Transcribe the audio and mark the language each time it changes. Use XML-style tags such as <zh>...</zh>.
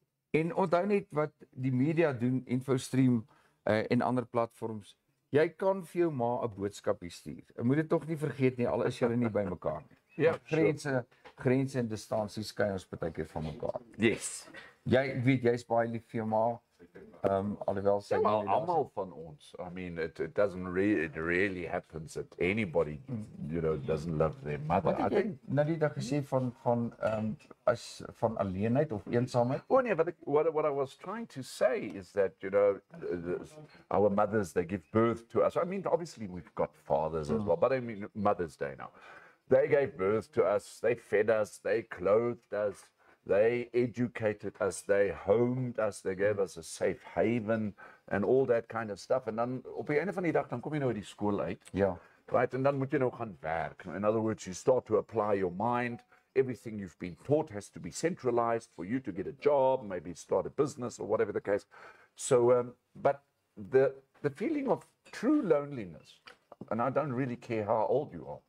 <af>En onthou net wat die media doen, Infostream en ander platforms. Jy kan vir jou ma 'n boodskapie stuur. Jy moet dit tog nie vergeet nie, al is julle nie by mekaar nie. Ja, grense, sure. Grense en distansie skei ons baie keer van mekaar.</af> <en>Yes.</en> <af>Jy weet jy's baie lief vir jou ma. Alhoewel sy ja, almal van ons.</af> <en>I mean it doesn't it really happens that anybody you know doesn't love their mother.</en> <af>Wat het jy na die dag gesê van as van alleenheid of eensaamheid?</af> <en>Oh nee, what I was trying to say is that you know our mothers they give birth to us. I mean obviously we've got fathers as well, but I mean Mother's Day now. They gave birth to us, they fed us, they clothed us. They educated us, they homed us, they gave us a safe haven and all that kind of stuff. And then,</en> <af>op die einde van die dag, dan kom jy nou uit die skool uit.</af> <en>Yeah. Right, and</en> <af>dan moet jy nou gaan werk.</af> <en>In other words, you start to apply your mind. Everything you've been taught has to be centralized for you to get a job, maybe start a business or whatever the case. So, but the feeling of true loneliness, and I don't really care how old you are.</en>